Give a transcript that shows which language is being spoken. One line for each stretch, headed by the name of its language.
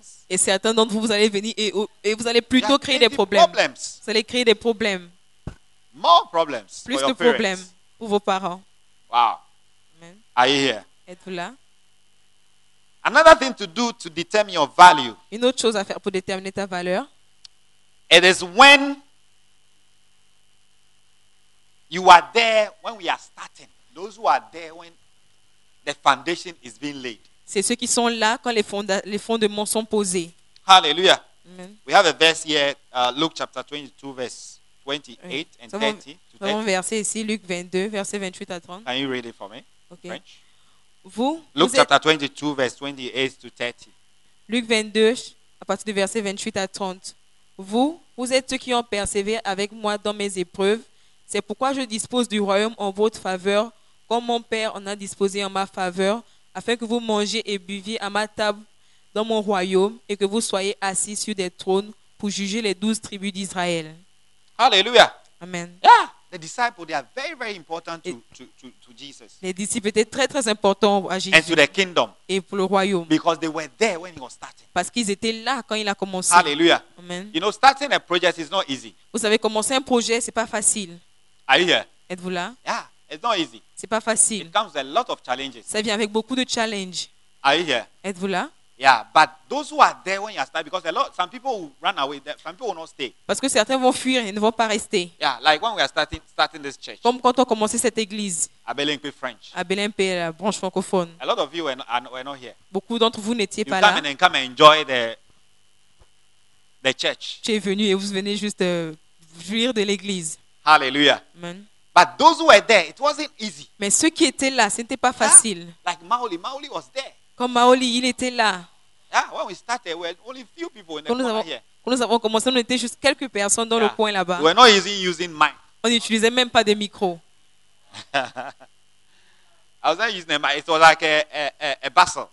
French: Et certains d'entre vous allez venir et vous allez plutôt créer des problèmes.
English: Problems.
French: Vous allez créer des problèmes.
English: More problems
French: plus
English: for your
French: de problèmes
English: parents.
French: Pour vos parents.
English: Wow. Amen. Are you here?
French: Êtes-vous là?
English: Another thing to do to determine your value.
French: Une autre chose à faire pour déterminer ta valeur.
English: It is when you are there when we are starting. Those who are there when the foundation is being laid.
French: C'est ceux qui sont là quand les fondements sont posés.
English: Hallelujah. We have a verse here, Luke chapter 22, verse 28 and 30.
French: Nous avons verset ici, Luc 22, verset 28 à 30.
English: Can you read it for me? Okay. French.
French: Vous,
English: Luke
French: vous
English: chapter 22, verse 28 to 30.
French: Luc 22, à partir du verset 28 à 30. Vous, vous êtes ceux qui ont persévéré avec moi dans mes épreuves. C'est pourquoi je dispose du royaume en votre faveur, comme mon Père en a disposé en ma faveur, afin que vous mangiez et buviez à ma table dans mon royaume et que vous soyez assis sur des trônes pour juger les 12 tribus d'Israël. Alléluia.
English: Amen. Yeah. The disciples, they are very, very important to Jesus.
French: Les disciples étaient très, très importants à Jésus.
English: And to the kingdom.
French: Et pour le royaume.
English: Because they were there when he was starting.
French: Parce qu'ils étaient là quand il a commencé. Alléluia.
English: Amen. You know, starting a project is not easy.
French: Vous savez, commencer un projet, c'est pas facile.
English: Are you here?
French: Êtes-vous là?
English: Yeah, it's not easy.
French: C'est pas facile.
English: It comes with a lot of challenges.
French: Ça vient avec beaucoup de challenges.
English: Are you here?
French: Êtes-vous là?
English: Yeah, but those who are there when you are starting, because a lot, some people will run away, some people will not stay.
French: Parce que certains vont fuir et ne vont pas rester.
English: Yeah, like when we are starting this church.
French: Comme quand on commençait cette église.
English: Abelimpe French.
French: Abelimpe, la branche francophone.
English: A lot of you were not here.
French: Beaucoup d'entre vous n'étiez pas là.
English: You come and enjoy the church.
French: Tu es venu et vous venez juste jouir de l'église.
English: Hallelujah. Amen. But those who were there, it wasn't easy.
French: Mais ceux qui étaient là, ce n'était pas facile.
English: Yeah, like Maoli was there.
French: Comme Maoli, il était là.
English: Yeah, when we started, we had only few people in the corner here.
French: Quand nous avons commencé, nous étions juste quelques personnes dans le coin là-bas.
English: We were not using mic.
French: On n'utilisait même pas de micro.
English: I was not using a mic. It was like a bustle.